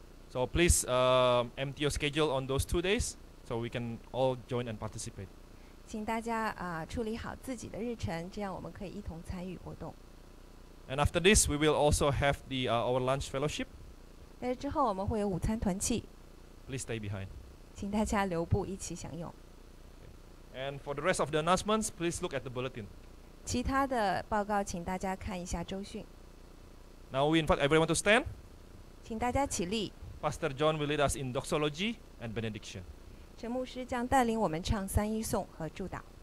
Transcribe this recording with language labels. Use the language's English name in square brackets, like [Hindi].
[English] So please, empty your schedule on those 2 days, so we can all join and participate. [Chinese] 请大家处理好自己的日程，这样我们可以一同参与活动。 [English] And after this, we will also have the our lunch fellowship. [Chinese] 之后我们会有午餐团契。 [English] Please stay behind. [Chinese] 请大家留步，一起享用。 [English] And for the rest of the announcements, please look at the bulletin. [Chinese] 其他的报告请大家看一下周讯。 [English] Now we invite everyone to stand. [Chinese] 请大家起立。 [English] Pastor John will lead us in doxology and benediction. [Chinese] 陈牧师将带领我们唱三一颂和祝祷。